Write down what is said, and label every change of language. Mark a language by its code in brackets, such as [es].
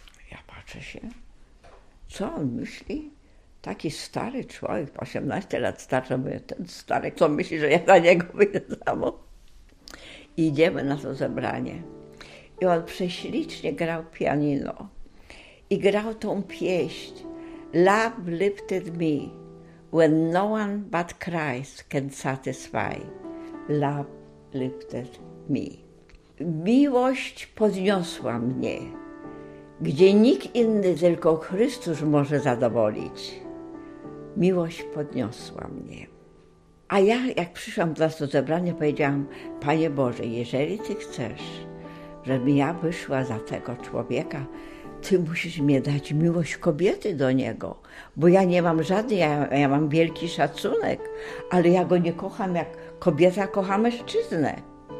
[pl] Ja patrzę się, co on myśli? Taki stary człowiek, 18 lat starszy, mówię, ten stary, co myśli, że ja na niego wyjdę samo? Idziemy na to zebranie. I on prześlicznie grał pianino. I grał tą pieśń. [en] Love lifted me when no one but Christ can satisfy. Love lifted me. [pl] Miłość podniosła mnie, gdzie nikt inny, tylko Chrystus może zadowolić. Miłość podniosła mnie. A ja, jak przyszłam do nas do zebrania, powiedziałam, Panie Boże, jeżeli Ty chcesz, żebym ja wyszła za tego człowieka, Ty musisz mi dać miłość kobiety do niego, bo ja nie mam żadnej, ja mam wielki szacunek, ale ja go nie kocham jak kobieta kocha mężczyznę.